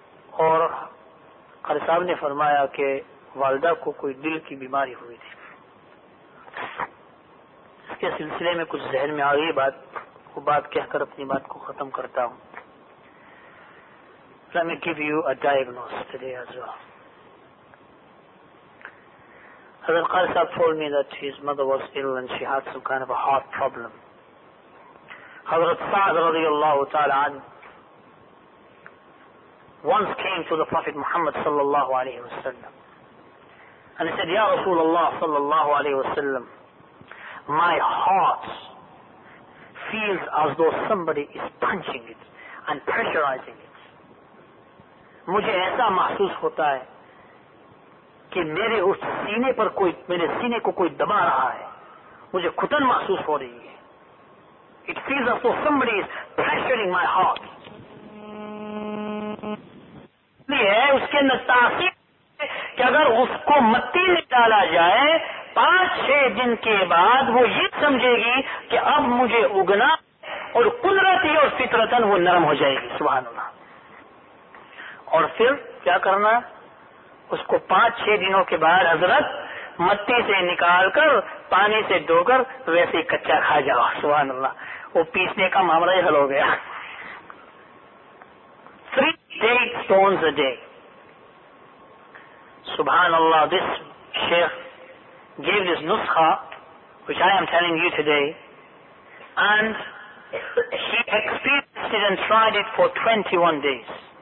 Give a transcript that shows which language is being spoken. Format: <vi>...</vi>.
<ur>اور قاری صاحب نے فرمایا کہ والدہ کو کوئی دل کی بیماری ہوئی تھی. اس کے سلسلے میں کچھ ذہن میں آ گئی بات, وہ بات کہہ کر اپنی بات کو ختم کرتا ہوں.</ur> <en>Let me give you a diagnosis today as well. Hazrat Qari Sahib told me that his mother was ill and she had some kind of a heart problem. Hazrat Sa'd radiallahu ta'ala once came to the Prophet Muhammad sallallahu alayhi wa sallam and he said, Ya Rasulullah sallallahu alayhi wa sallam, my heart feels as though somebody is punching it and pressurizing it.</en> <ur>مجھے ایسا محسوس ہوتا ہے کہ میرے اس سینے پر کوئی, میرے سینے کو کوئی دبا رہا ہے, مجھے کھٹن محسوس ہو رہی ہے.</ur> <en>It feels as though somebody is pressuring my heart.</en> <ur>اس کے اندر تاثیر کہ اگر اس کو مٹی میں ڈالا جائے پانچ چھ دن کے بعد وہ یہ سمجھے گی کہ اب مجھے اگنا, اور قدرتی اور فطرتن وہ نرم ہو جائے گی, سبحان اللہ. اور پھر کیا کرنا, اس کو پانچ چھ دنوں کے بعد حضرت مٹی سے نکال کر پانی سے دھو کر ویسے ہی کچا کھا جاؤ, سبحان اللہ. وہ پیسنے کا معاملہ ہی حل ہو گیا.</ur> <en>3 stones a day,</en> <ur>سبحان اللہ.</ur> <en>This sheikh gave this نسخا which I am telling you today and he experienced and tried it for 21 days.</en>